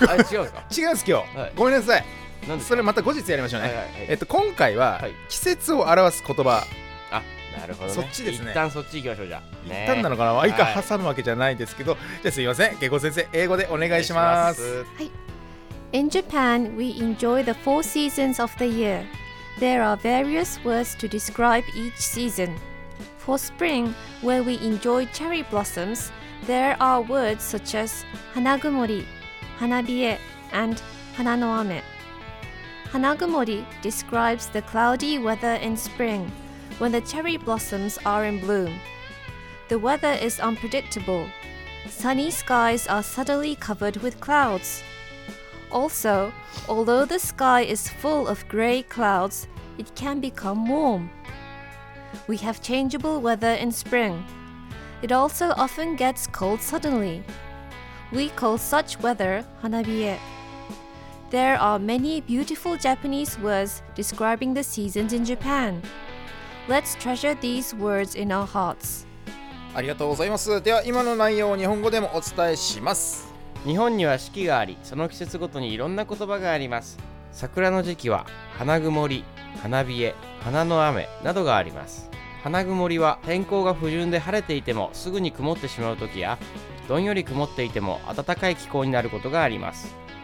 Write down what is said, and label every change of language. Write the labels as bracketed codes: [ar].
[ja] 違うんです今日、ごめんなさい。それまた後日やりましょうね。今回は季節を表す言葉、なるほどね、そっちですね。一旦そっち行きましょう。じゃあ、ね、一旦なのかな、相変挟むわけじゃないですけど、はい、じゃあすいません、恵子先生英語でお願いします。はい。 [en] In Japan, we enjoy the four seasons of the year. There are various words to describe each season. For spring, where we enjoy cherry blossoms, there are words such as 花曇り、花冷え and 花の雨。花曇り describes the cloudy weather in springWhen the cherry blossoms are in bloom. The weather is unpredictable. Sunny skies are suddenly covered with clouds. Also, although the sky is full of gray clouds, it can become warm. We have changeable weather in spring. It also often gets cold suddenly. We call such weather hanabie. There are many beautiful Japanese words describing the seasons in Japan. Let's treasure these words in our hearts. [ja] ありがとうございます。では今の内容を日本語でもお伝えします。日本には四季があり、その季節ごとにいろんな言葉があります。桜の時期は花曇り、花冷え、花の雨などがあります。花曇りは天候が不順で晴れていてもすぐに曇ってしまう時や、どんより曇っていても暖かい気候になることがあります。